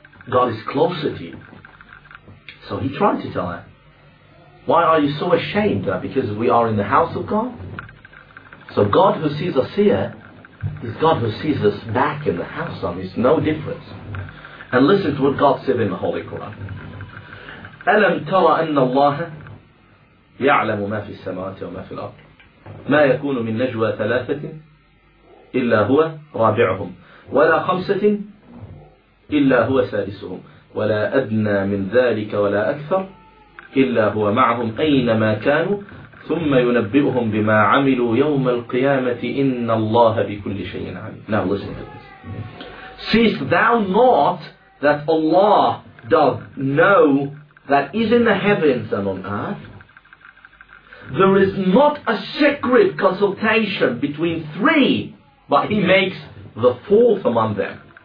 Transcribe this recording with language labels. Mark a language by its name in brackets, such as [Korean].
[English] God is closer to you. So he tried to tell her, why are you so ashamed? Because we are in the house of God? So God who sees us here is God who sees us back in the house. There's no difference. And listen to what God said in the Holy Quran. [Arabic] أَلَمْ تَرَ أَنَّ اللَّهَ يَعْلَمُ مَا فِي السَّمَاوَاتِ وَمَا فِي الْأَرْضِ ما يكون من نجوى ثلاثة إلا هو رابعهم ولا خمسة إلا هو سادسهم ولا أدنى من ذلك ولا أكثر إلا هو معهم أينما كانوا ثم ينبئهم بما عملوا يوم القيامة إن الله بكل شيء عليم. [English] Now listen to this. Seest thou not that Allah doth know that is in the heavens and on earth? There is not a secret consultation between three, but he makes the fourth among them.